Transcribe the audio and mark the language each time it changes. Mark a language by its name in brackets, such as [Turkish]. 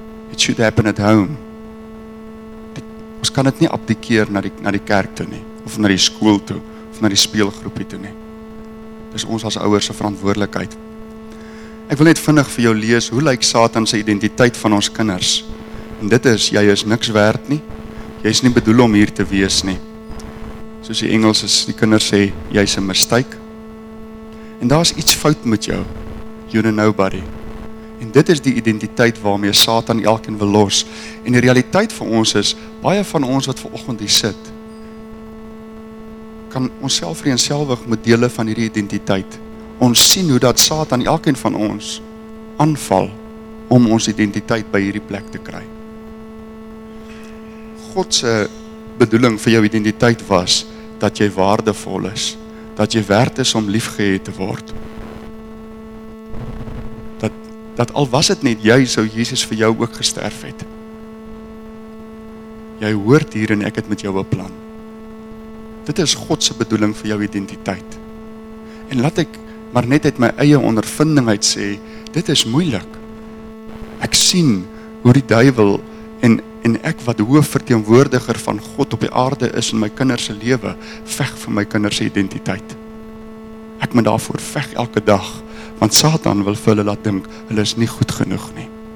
[English] It should happen at home. [Afrikaans] Ons kan dit nie abdikeer na die kerk toe nie, of na die skool toe, of na die speelgroepie toe nie. Dis ons as ouers se verantwoordelikheid. Ek wil net vinnig vir jou lees, hoe lyk Satan se identiteit van ons kinders? En dit is, jy is niks werd nie, jy is nie bedoel om hier te wees nie. Soos die Engels is, die kinders sê, jy is 'n mistake. En daar is iets fout met jou, [English] you're a nobody. [Afrikaans] En dit is die identiteit waarmee Satan elkeen wil los. En die realiteit vir ons is, baie van ons wat vanoggend hier sit, kan onsself vereenselwig met dele van hierdie identiteit. Ons sien hoe dat Satan elkeen van ons aanval om ons identiteit by hierdie plek te kry. God se bedoeling vir jou identiteit was dat jy waardevol is, dat jy werd is om liefgehad te word. Dat al was het net jy, sou Jesus vir jou ook gesterf het. Jy hoort hier en ek het met jou 'n plan. Dit is God se bedoeling vir jou identiteit. En laat ek maar net uit my eie ondervinding uit sê, dit is moeilik. Ek sien hoe die duiwel en ek wat hoofverteenwoordiger van God op die aarde is in my kinders se lewe, veg vir my kinders se identiteit. Ek moet daarvoor veg elke dag. Want Satan wil vir hulle laat dink, hulle is nie goed genoeg nie.